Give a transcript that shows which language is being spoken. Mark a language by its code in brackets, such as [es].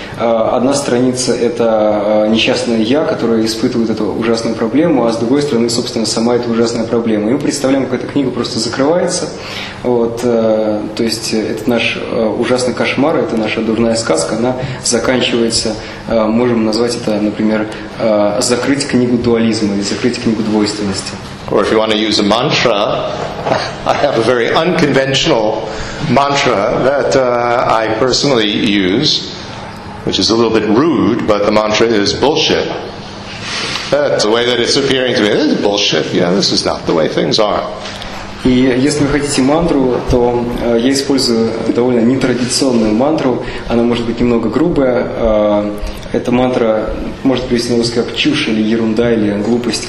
[ru] Одна страница – это несчастное «я», которое испытывает эту ужасную проблему, а с другой стороны, собственно, сама эта ужасная проблема. И мы представляем, как эта книга просто закрывается. Вот, то есть это наш ужасный кошмар, это наша дурная сказка, она заканчивается, можем назвать это, например, «закрыть книгу дуализма» или «закрыть книгу двойственности». [en] Or if you want to use a mantra, I have a very unconventional mantra that I personally use, which is a little bit rude, but the mantra is bullshit. That's the way that it's appearing to me. This is bullshit. Yeah, this is not the way things are. [ru] И если вы хотите мантру, то я использую довольно нетрадиционную мантру. Она может быть немного грубая. Эта мантра может привести на русский как чушь или ерунда или глупость.